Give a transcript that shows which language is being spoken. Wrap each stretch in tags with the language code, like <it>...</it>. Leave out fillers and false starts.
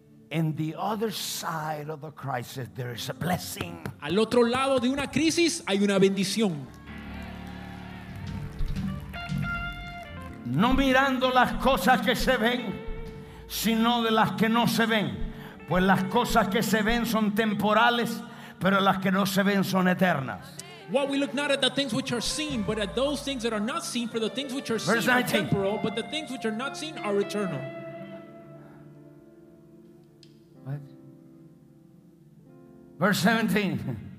<en>In the other side of the crisis, there is a blessing.</en> <es>Al otro lado de una crisis, hay una bendición. No mirando las cosas que se ven, sino de las que no se ven. Pues las cosas que se ven son temporales, pero las que no se ven son eternas.</es> <en>While we look not at the things which are seen, but at those things that are not seen, for the things which are seen are temporal, but the things which are not seen are eternal. What? Verse 17.</en>